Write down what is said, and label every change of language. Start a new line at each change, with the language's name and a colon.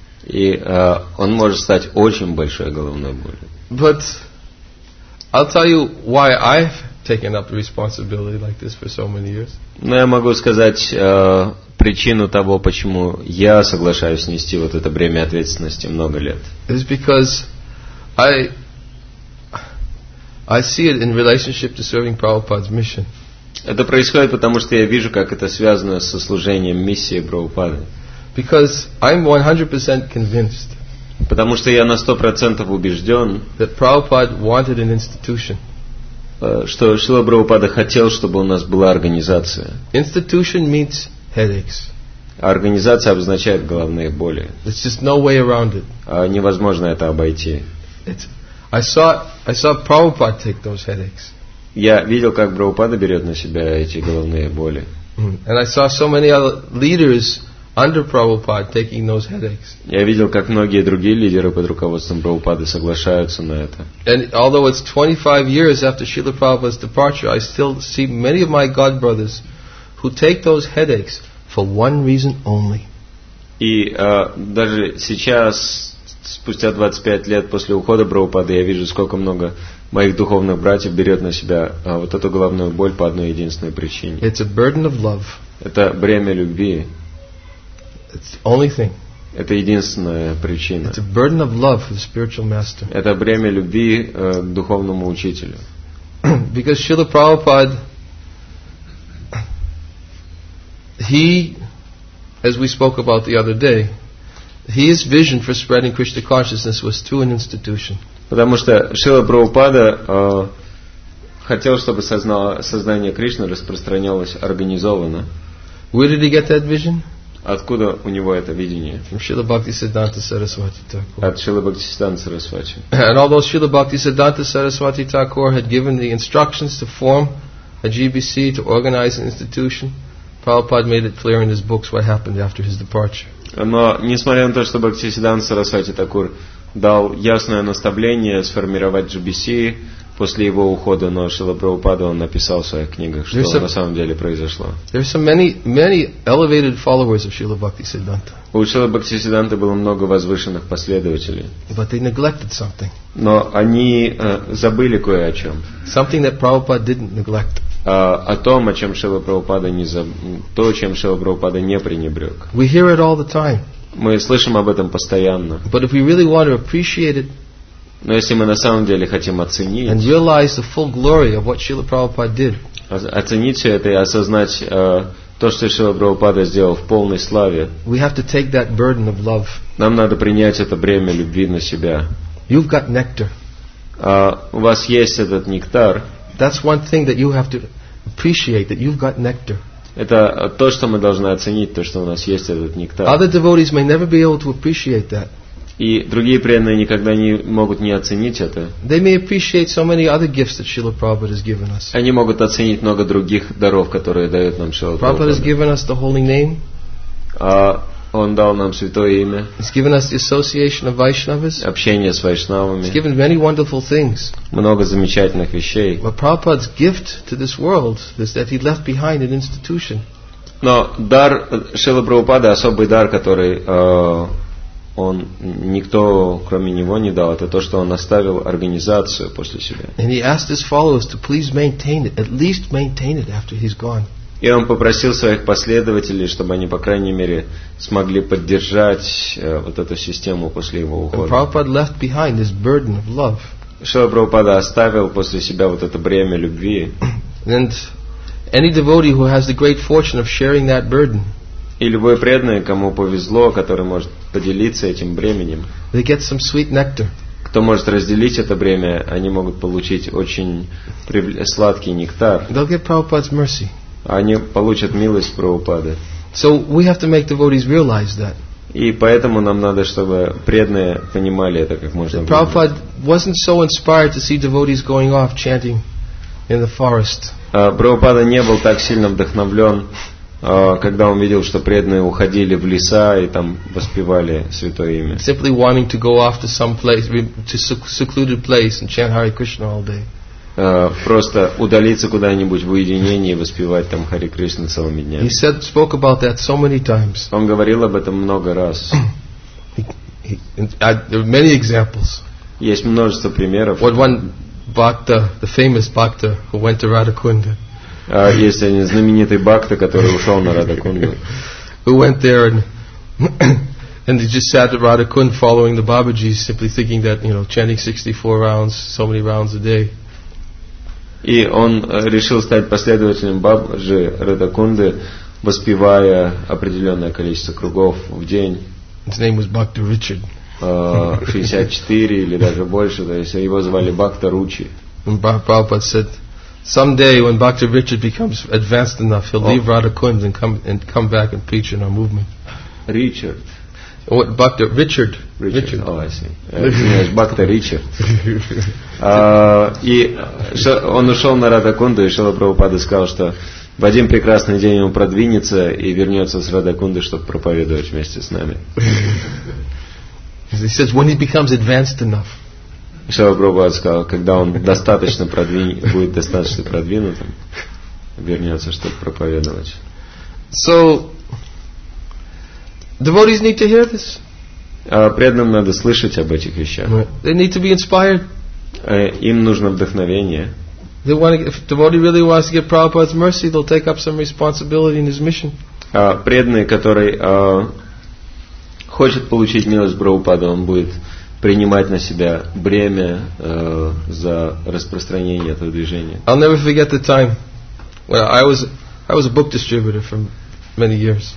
Russian: И он может стать очень большой головной болью.
English: But I'll tell you why I've taken up responsibility like this for so many years.
Russian: Но я могу сказать причину того, почему я соглашаюсь нести вот это бремя ответственности много лет.
English: It's because I see it in relationship to serving Prabhupada's mission.
Russian: Это происходит потому, что я вижу, как это связано со служением миссии Прабхупады.
English: Because I'm 100% convinced.
Russian: Потому что я на 100% убежден,
English: that Prabhupada wanted an institution.
Russian: Что Шрила Прабхупада хотел, чтобы у нас была организация.
English: Institution means headaches.
Russian: Организация обозначает головные боли.
English: There's just no way around it.
Russian: Невозможно это обойти.
English: I saw Prabhupada take those headaches.
Russian: Я видел, как Прабхупада берет на себя эти головные боли.
English: And I saw so many other leaders under Prabhupada taking those headaches.
Russian: Я видел, как многие другие лидеры под руководством Прабхупады соглашаются на это.
English: And although it's 25 years after Srila Prabhupada's departure, I still see many of my god brothers who take those headaches for one reason only.
Russian: И даже сейчас, спустя 25 лет после ухода Прабхупады, я вижу, сколько много моих духовных братьев берет на себя вот эту головную боль по одной единственной причине.
English: It's a burden of love.
Russian: Это бремя любви.
English: It's the only thing.
Russian: Это единственная причина.
English: It's a burden of love for the spiritual master.
Russian: Это бремя любви к духовному учителю.
English: Because Srila Prabhupada, he, as we spoke about the other day, his vision for spreading Krishna consciousness was to an institution.
Russian: Потому что Шрила Прабхупада хотел, чтобы сознание Кришны распространялось организованно.
English: Where did he get that vision?
Russian: Откуда у него это видение? От Шрилы Бхактисиддханты Сарасвати.
English: And although Shrila Bhaktisiddhanta Saraswati Thakur had given the instructions to form a GBC, to organize an institution, Prabhupada made it clear in his books what happened after his departure.
Russian: Но несмотря на то, что Бхактисиддханта Сарасвати Такур дал ясное наставление сформировать GBC после его ухода, но Шрила Прабхупада, он написал в своих книгах, что
English: there's
Russian: на самом деле произошло.
English: Many elevated followers of Shrila Bhaktisiddhanta.
Russian: У Шрилы Бхактисиддханты было много возвышенных последователей.
English: But they neglected something.
Russian: Но они забыли кое о чем.
English: Something that Prabhupada didn't neglect.
Russian: О том, о чем Шрила Прабхупада не то, чем Шрила Прабхупада не пренебрег.
English: We hear it all the time.
Russian: Мы слышим об этом постоянно.
English: But if we really want to appreciate it,
Russian: но если мы на самом деле хотим оценить,
English: and realize the full glory of what Srila Prabhupada did,
Russian: оценить все это и осознать то, что Шрила Прабхупада сделал в полной славе,
English: we have to take that burden of love.
Russian: Нам надо принять это бремя любви на себя.
English: You've got nectar.
Russian: У вас есть этот нектар.
English: That's one thing that you have to appreciate, that you've got nectar.
Russian: Это то, что мы должны оценить, то, что у нас есть этот нектар.
English: Other devotees may never be able to appreciate that.
Russian: И другие преданные никогда не могут не оценить это.
English: They may appreciate so many other gifts that Srila Prabhupada has given us.
Russian: Они могут оценить много других даров, которые дает нам Шрила Прабхупада.
English: Prabhupada has given us the holy name.
Russian: Он дал нам святое имя.
English: He's given us the association of Vaishnavas.
Russian: Общение с Вайшнавами.
English: He's given many wonderful things.
Russian: Много замечательных вещей.
English: But Prabhupada's gift to this world is that he left behind an institution.
Russian: Но дар Шрила Прабхупада, особый дар, который он никто, кроме него, не дал, это то, что он оставил организацию после себя.
English: And he asked his followers to please maintain it, at least maintain it after he's gone.
Russian: И он попросил своих последователей, чтобы они, по крайней мере, смогли поддержать вот эту систему после его ухода.
English: And Prabhupada left behind this burden of love.
Russian: Шрила Прабхупада оставил после себя вот это бремя любви.
English: And any devotee who has the great fortune of sharing that burden,
Russian: и любой преданный, кому повезло, который может поделиться этим бременем,
English: they get some sweet nectar.
Russian: Кто может разделить это бремя, они могут получить очень сладкий нектар.
English: They'll get Prabhupada's mercy.
Russian: Они получат милость Прабхупады.
English: So we have to make devotees realize that.
Russian: И поэтому нам надо, чтобы преданные понимали это как можно больше.
English: Prabhupada wasn't so inspired to see devotees going off chanting in the forest.
Russian: Прабхупада не был так сильно вдохновлен, когда он видел, что преданные уходили в леса и там воспевали святое имя.
English: Simply wanting to go off to some place, to secluded place, and chant Hare Krishna all day.
Russian: Просто удалиться куда-нибудь в уединении и воспевать там Хари Кришна целыми днями.
English: He said, spoke about that so many times.
Russian: Он говорил об этом много раз.
English: There are many examples.
Russian: Есть множество примеров.
English: What one bhakta, the famous bhakta who went to Radhakunda.
Russian: Есть один знаменитый бхакта, который ушел на Радхакунду.
English: Who went there and he just sat at Radhakunda following the Babaji, simply thinking that, you know, chanting 64 rounds, so many rounds a day.
Russian: И он решил стать последователем Бабаджи Радхакунды, воспевая определенное количество кругов в день.
English: His name was Bhakta Richard.
Russian: 64 или даже больше, то есть его звали Бхакта Ручи.
English: And Prabhupada said, someday when Bhakta Richard becomes advanced enough, he'll leave Radhakunda and come back and preach in our movement. Richard. What, Bhakta Richard. Richard. Richard. Oh, I see. Бхакта Ричард.
Russian: И он ушел на Радхакунду, и Шрила Прабхупада сказал, что в один прекрасный день он продвинется и вернется с Радхакунды, чтобы проповедовать вместе с нами.
English: He says, when he becomes advanced enough.
Russian: Шрила Прабхупада сказал, когда он достаточно будет достаточно продвинутым, вернется, чтобы проповедовать.
English: So, devotees need to hear this.
Russian: Преданным надо слышать об этих вещах.
English: They need to be inspired.
Russian: Им нужно вдохновение.
English: They want to, if the devotee really wants to get Prabhupada's mercy, they'll take up some responsibility in his mission.
Russian: Преданный, который хочет получить милость Прабхупады, он будет принимать на себя бремя за распространение этого движения.
English: I'll never forget the time when I was a book distributor from many years.